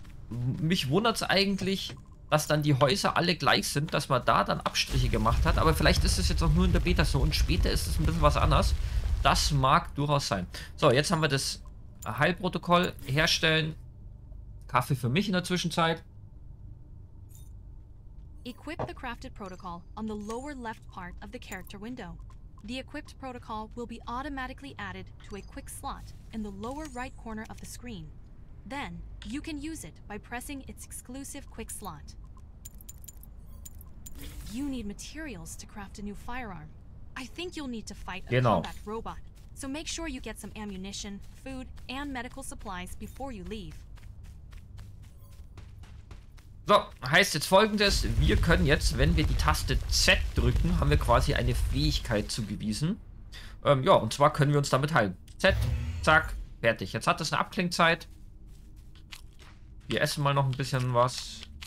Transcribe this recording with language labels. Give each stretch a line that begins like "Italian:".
German: Mich wundert es eigentlich, dass dann die Häuser alle gleich sind, dass man da dann Abstriche gemacht hat. Aber vielleicht ist es jetzt auch nur in der Beta so und später ist es ein bisschen was anders. Das mag durchaus sein. So, jetzt haben wir das Heilprotokoll herstellen. Kaffee für mich in der Zwischenzeit.
English: Equip the crafted protocol on the lower left part of the character window. The equipped protocol will be automatically added to a quick slot in the lower right corner of the screen. Then, you can use it by pressing its exclusive quick slot. You need materials to craft a new firearm. I think you'll need to fight a combat robot. So make sure you get some ammunition, food and medical supplies before you leave.
German: So, heißt jetzt folgendes, wir können jetzt, wenn wir die Taste Z drücken, haben wir quasi eine Fähigkeit zugewiesen. Ja, und zwar können wir uns damit heilen. Z, zack, fertig. Jetzt hat das eine Abklingzeit. Wir essen mal noch ein bisschen was.